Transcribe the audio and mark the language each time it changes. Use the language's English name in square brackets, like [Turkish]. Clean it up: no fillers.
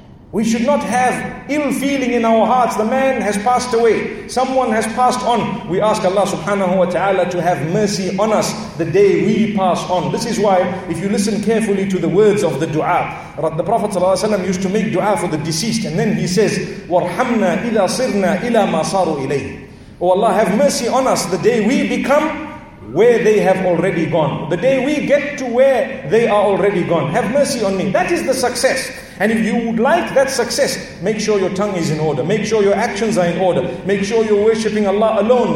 [English] We should not have ill feeling in our hearts. The man has passed away. Someone has passed on. We ask Allah subhanahu wa ta'ala to have mercy on us the day we pass on. This is why if you listen carefully to the words of the dua, the Prophet sallallahu alaihi wasallam used to make dua for the deceased. And then he says, [Arabic] وَرْحَمْنَا إِذَا صِرْنَا إِلَى مَا صَارُوا إِلَيْهِ. [English] Oh Allah, have mercy on us the day we become where they have already gone. The day we get to where they are already gone. Have mercy on me. That is the success. And if you would like that success, make sure your tongue is in order. Make sure your actions are in order. Make sure you're worshipping Allah alone.